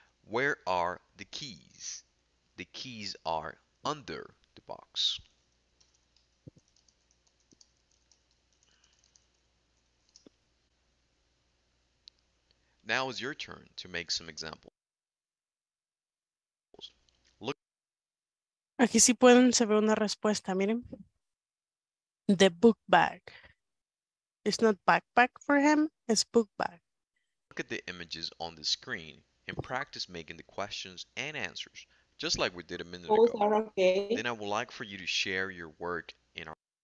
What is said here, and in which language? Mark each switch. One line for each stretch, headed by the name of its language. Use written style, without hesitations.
English: Where are the keys? The keys are under the box. Now is your turn to make some examples.
Spanish: Aquí sí pueden, se ve una respuesta, miren.
English: The book bag. It's not backpack for him, it's book bag. Look at the images on the screen and practice making the questions and answers, just like we did a minute both ago. Okay. Then I would like for you to share your work in our...